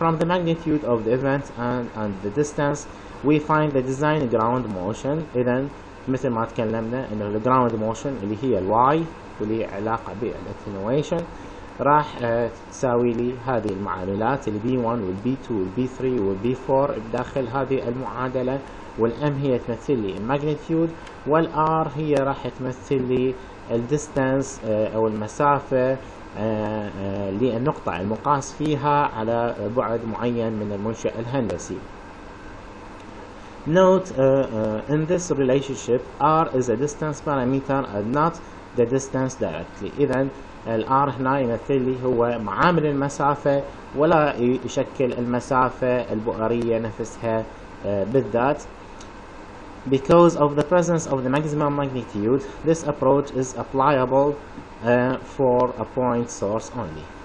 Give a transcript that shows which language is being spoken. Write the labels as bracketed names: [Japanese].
[English] From the magnitude of the event and the distance, we find the design ground motion. [Arabic] إذن مثل ما تكلمنا انه الجراوند موشن اللي هي الواي واللي علاقه بالاتنويشن راح تساوي لي هذه المعاملات البي 1 والبي 2 والبي 3 والبي 4 بداخل هذه المعادله، والام هي تمثل لي الماجنتيود، والار هي راح تمثل لي الديستانس او المسافه للنقطه المقاس فيها على بعد معين من المنشا الهندسي. [English] Note, in this relationship, R is a distance parameter and not the distance directly. [Arabic] إذن الـ R هنا يمثل لي هو معامل المسافة ولا يشكل المسافة البؤرية نفسها بالذات. [English] Because of the presence of the maximum magnitude, this approach is applicable for a point source only.